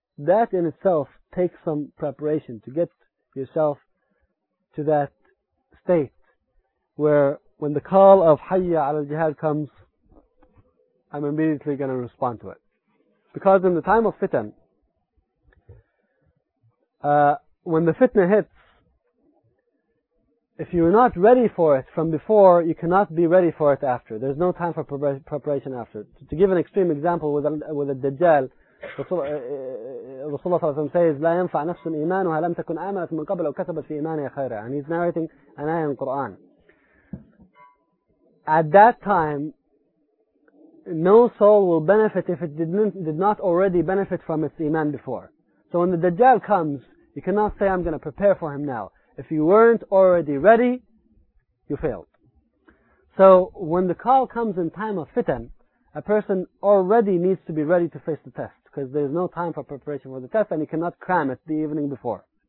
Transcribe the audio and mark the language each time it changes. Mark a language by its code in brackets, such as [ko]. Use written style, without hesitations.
[en] That in itself takes some preparation to get yourself to that state where when the call of Hayya ala al-Jihad comes, I'm immediately going to respond to it. Because in the time of fitan, when the fitna hits, if you're not ready for it from before, you cannot be ready for it after. There's no time for preparation after. To give an extreme example with a Dajjal, Rasulullah says, [ar] لا ينفع نفس الإيمان ولم تكن آمنت من قبل أو كتبت في إيمانها خيرا. [en] And he's narrating an ayah in Quran. At that time, no soul will benefit if it did not already benefit from its iman before. So when the Dajjal comes, you cannot say, I'm going to prepare for him now. If you weren't already ready, you failed. So when the call comes in time of fitan, a person already needs to be ready to face the test, because there's no time for preparation for the test and you cannot cram it the evening before.